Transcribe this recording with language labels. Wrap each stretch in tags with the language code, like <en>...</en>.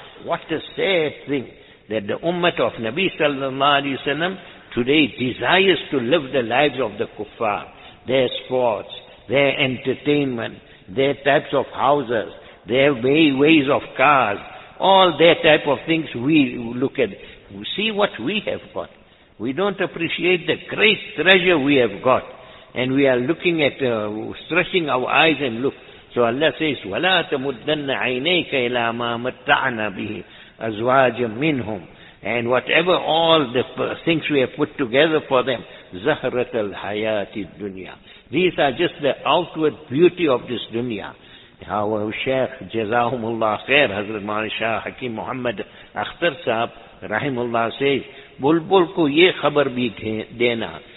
<en>What a sad thing that the ummah of Nabi sallallahu alayhi wa sallam today desires to live the lives of the kuffar, their sports, their entertainment, their types of houses, their ways of cars, all their type of things. We look at, we see what we have got. We don't appreciate the great treasure we have got. And we are looking at, stretching our eyes and look. So Allah says,</en> <ar>وَلَا تَمُدَّنَّ عَيْنَيْكَ إِلَىٰ مَا مَتَّعْنَا بِهِ أَزْوَاجًا مِّنْهُمْ.</ar> <en>And whatever all the things we have put together for them,</en> <ar>زَهْرَةَ الْحَيَاةِ الدُّنْيَا.</ar> <en>These are just the outward beauty of this dunya. Our Shaykh, Jazahumullah Khair, Hazrat Maulana Shah Hakim Muhammad Akhtar Sahab, Rahimullah, says,</en> <ur>Bulbul ko ye khabar bhi dena.</ur>